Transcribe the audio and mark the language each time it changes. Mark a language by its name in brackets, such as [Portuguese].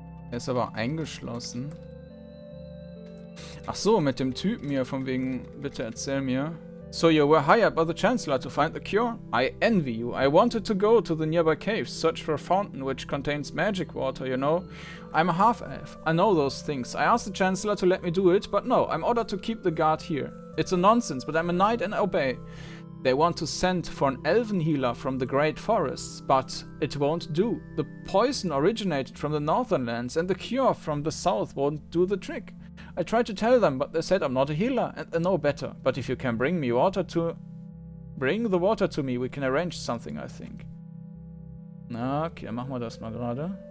[German] Er ist aber eingeschlossen. Ach so, mit dem Typen hier von wegen, bitte erzähl mir. [English] So you were hired by the Chancellor to find the cure? I envy you. I wanted to go to the nearby caves, search for a fountain which contains magic water, you know. I'm a half-elf. I know those things. I asked the Chancellor to let me do it, but no, I'm ordered to keep the guard here. It's a nonsense, but I'm a knight and I obey. They want to send for an elven healer from the Great Forests, but it won't do. The poison originated from the Northern Lands, and the cure from the South won't do the trick. I tried to tell them, but they said I'm not a healer, and they know better. But if you can bring me water to... Bring the water to me, we can arrange something, I think. [German] Na, okay, dann machen wir das mal gerade.